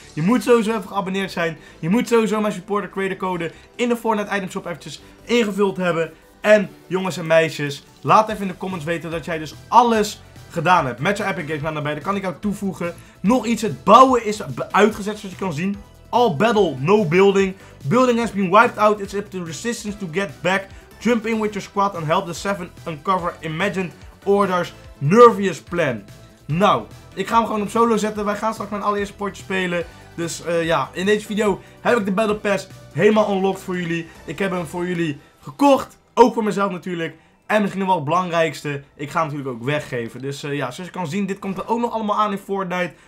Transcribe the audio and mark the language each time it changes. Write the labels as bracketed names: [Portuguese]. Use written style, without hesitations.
[Dutch] Je moet sowieso even geabonneerd zijn. Je moet sowieso mijn supporter creator code in de Fortnite item shop eventjes ingevuld hebben. En jongens en meisjes, laat even in de comments weten dat jij dus alles gedaan hebt met jouw Epic Games Man erbij. Dan kan ik ook toevoegen. Nog iets, het bouwen is uitgezet zoals je kan zien. [English] All battle, no building. Building has been wiped out. It's up to resistance to get back. Jump in with your squad and help the 7 uncover Imagined Order's nervous plan. [Dutch] Nou, ik ga hem gewoon op solo zetten. Wij gaan straks mijn allereerste potje spelen. Dus ja, in deze video heb ik de Battle Pass helemaal unlocked voor jullie. Ik heb hem voor jullie gekocht. Ook voor mezelf natuurlijk. En misschien nog wel het belangrijkste. Ik ga hem natuurlijk ook weggeven. Dus ja, zoals je kan zien, dit komt er ook nog allemaal aan in Fortnite.